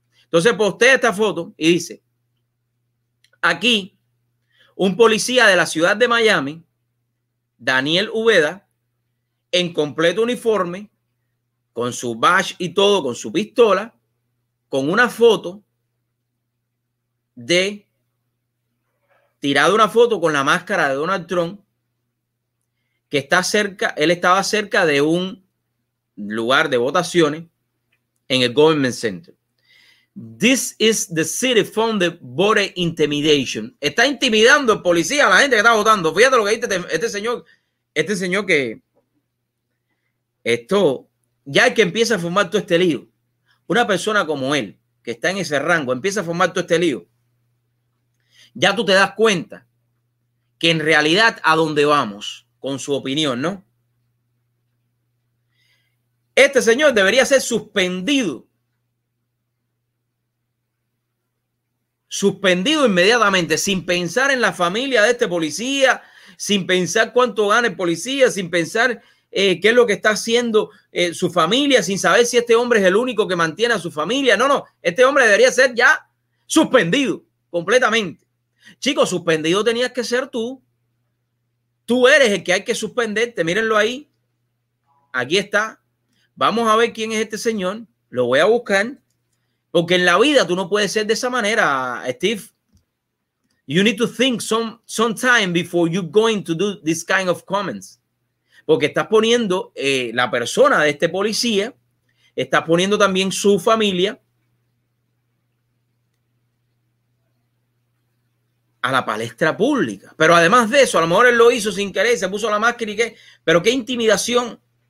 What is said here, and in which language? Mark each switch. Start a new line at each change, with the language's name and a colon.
Spanish: Entonces postea esta foto y dice: aquí un policía de la ciudad de Miami, Dariel Ubeda, en completo uniforme, con su badge y todo, con su pistola, con una foto de tirado una foto con la máscara de Donald Trump, que está cerca, él estaba cerca de un lugar de votaciones en el Government Center.
English: This is the city founded voter intimidation.
Spanish: Está intimidando el policía a la gente que está votando. Fíjate lo que dice este señor que esto, ya el que empieza a formar todo este lío, una persona como él, que está en ese rango, empieza a formar todo este lío, ya tú te das cuenta que en realidad a dónde vamos con su opinión, ¿no? Este señor debería ser suspendido. Suspendido inmediatamente, sin pensar en la familia de este policía, sin pensar cuánto gana el policía, sin pensar qué es lo que está haciendo su familia, sin saber si este hombre es el único que mantiene a su familia. No, no, este hombre debería ser ya suspendido completamente. Chicos, suspendido tenías que ser tú. Tú eres el que hay que suspenderte. Mírenlo ahí. Aquí está. Vamos a ver quién es este señor. Lo voy a buscar. Porque en la vida tú no puedes ser de esa manera, Steve.
English: You need to think some time before you're going to do this kind of comments.
Spanish: Porque estás poniendo la persona de este policía, estás poniendo también su familia a la palestra pública. Pero además de eso, a lo mejor él lo hizo sin querer, se puso la máscara y qué. Pero qué intimidación.